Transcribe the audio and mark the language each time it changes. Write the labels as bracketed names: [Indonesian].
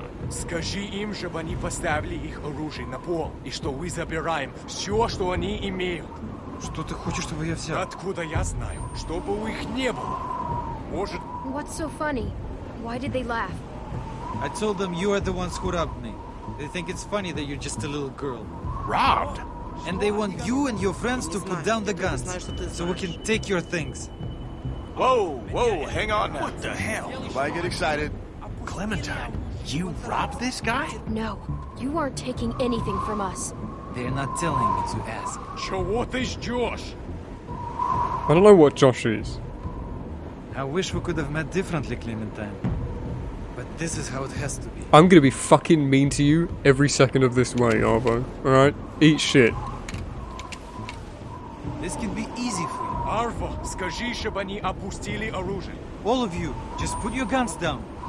[Russian] Скажи им, чтобы они поставили их оружие на пол, и что мы забираем все, что они имеют. Что ты хочешь, чтобы я взял? Откуда я знаю? Чтобы у их не было. Может, [English] What's so funny? Why did they laugh? I told them you are the ones who robbed me. They think it's funny that you're just a little girl. Robbed? And they want you and your friends to put down the guns so we can take your things. Whoa, hang on now. What the hell? Why get excited? Clementine, you robbed this guy? No, you aren't taking anything from us. They're not telling me to ask. So what is Josh? I don't know what Josh is. I wish we could have met differently, Clementine. But this is how it has to be. I'm gonna be fucking mean to you every second of this way, Arvo. Alright? Eat shit. This can be easy for you. [Russian] Arvo, скажи, чтобы они опустили оружие. [English] All of you, just put your guns down.